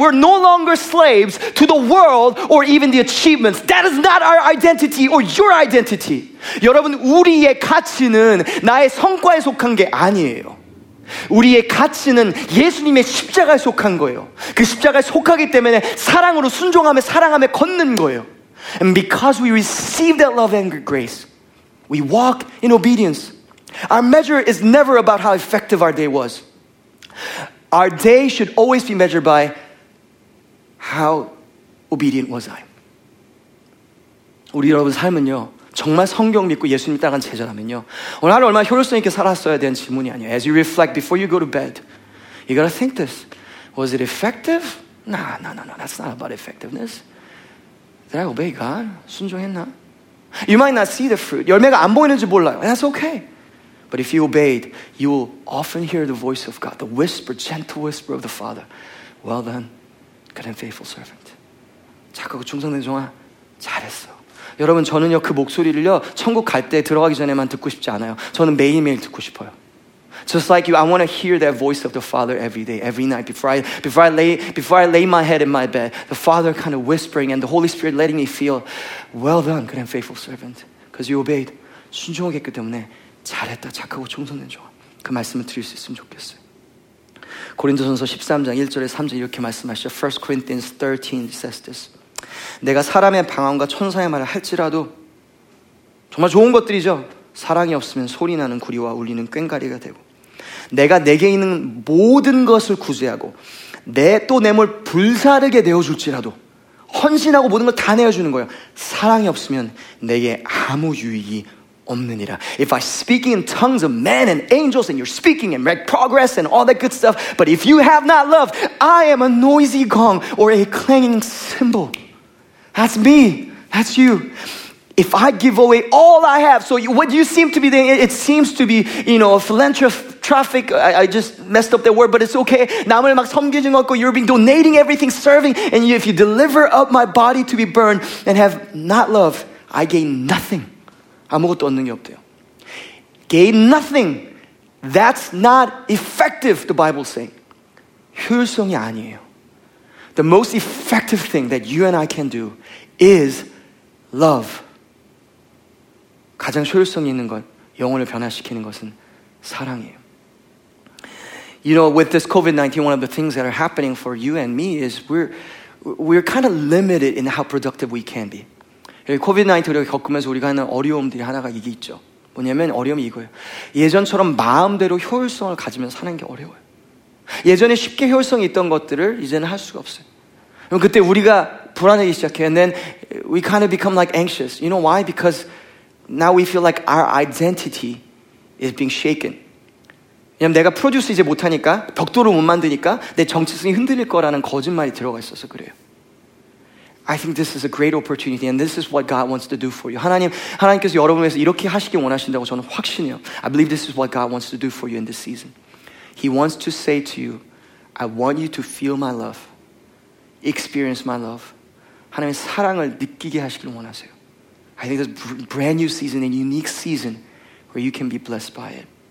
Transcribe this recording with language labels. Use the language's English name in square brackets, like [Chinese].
[English] We're no longer slaves to the world or even the achievements. That is not our identity or your identity. [Korean] 여러분, 우리의 가치는 나의 성과에 속한 게 아니에요. 우리의 가치는 예수님의 십자가에 속한 거예요. 그 십자가에 속하기 때문에 사랑으로 순종하며 사랑하며 걷는 거예요. [English] And because we receive that love and grace, we walk in obedience. Our measure is never about how effective our day was. Our day should always be measured by how obedient was I. [Korean] 우리 여러분 삶은요, 정말 성경 믿고 예수님 따라간 제자라면요, 오늘 하루 얼마나 효율성 있게 살았어야 되는 질문이 아니에요. [English] As you reflect before you go to bed, you gotta think this. Was it effective? No, that's not about effectiveness. Did I obey God? [Korean] 순종했나? [English] You might not see the fruit. [Korean] 열매가 안 보이는지 몰라요. [English] And that's okay. But if you obeyed, you will often hear the voice of God, the whisper, gentle whisper of the Father. Well done, good and faithful servant. [Korean] 착하고 충성된 종아, 잘했어. 여러분, 저는요, 그 목소리를요, 천국 갈 때 들어가기 전에만 듣고 싶지 않아요. 저는 매일매일 듣고 싶어요. [English] Just like you, I want to hear that voice of the Father every day, every night, before I lay my head in my bed. The Father kind of whispering and the Holy Spirit letting me feel, well done, good and faithful servant. Because you obeyed. [Korean] 순종했기 때문에. 잘했다, 착하고 충성된 종아. 그 말씀을 드릴 수 있으면 좋겠어요. 고린도전서 13장 1절에 3절 이렇게 말씀하시죠. [English] 1 Corinthians 13 says this. [Korean] 내가 사람의 방언과 천사의 말을 할지라도 정말 좋은 것들이죠. 사랑이 없으면 소리 나는 구리와 울리는 꽹과리가 되고 내가 내게 있는 모든 것을 구제하고 내 또 내 몸을 불사르게 내어줄지라도 헌신하고 모든 걸 다 내어주는 거예요. 사랑이 없으면 내게 아무 유익이 없느니라. [English] If I speak in tongues of men and angels and you're speaking and make progress and all that good stuff, but if you have not love, I am a noisy gong or a clanging cymbal. That's me. That's you. If I give away all I have, so what you seem to be doing, it seems to be, you know, philanthropic. I just messed up that word, but it's okay. [Korean] 남을 막 섬기는 것 같고, [English] you're being donating everything, serving, and if you deliver up my body to be burned and have not love, I gain nothing. [Korean] 아무것도 얻는 게 없대요. [English] Gain nothing. That's not effective, the Bible saying. [Korean] 효율성이 아니에요. [English] The most effective thing that you and I can do is love. [Korean] 가장 효율성이 있는 건 영혼을 변화시키는 것은 사랑이에요. [English] You know, with this COVID-19, one of the things that are happening for you and me is we're kind of limited in how productive we can be. [Korean] COVID-19를 겪으면서 우리가 하는 어려움들이 하나가 이게 있죠. 뭐냐면 어려움이 이거예요. 예전처럼 마음대로 효율성을 가지면서 사는 게 어려워요. 예전에 쉽게 효율성이 있던 것들을 이제는 할 수가 없어요. 그럼 그때 우리가 불안해지기 시작해요. [English] And then we kind of become like anxious. You know why? Because now we feel like our identity is being shaken. [Korean] 왜냐면 내가 프로듀스 이제 못하니까 벽돌을 못 만드니까 내 정체성이 흔들릴 거라는 거짓말이 들어가 있어서 그래요. [English] I think this is a great opportunity and this is what God wants to do for you. [Korean] 하나님께서 여러분을 위해서 이렇게 하시길 원하신다고 저는 확신해요. [English] I believe this is what God wants to do for you in this season. He wants to say to you, I want you to feel my love. Experience my love. [Korean] 하나님의 사랑을 느끼게 하시길 원하세요. [English] I think this is a brand new season, a unique season where you can be blessed by it.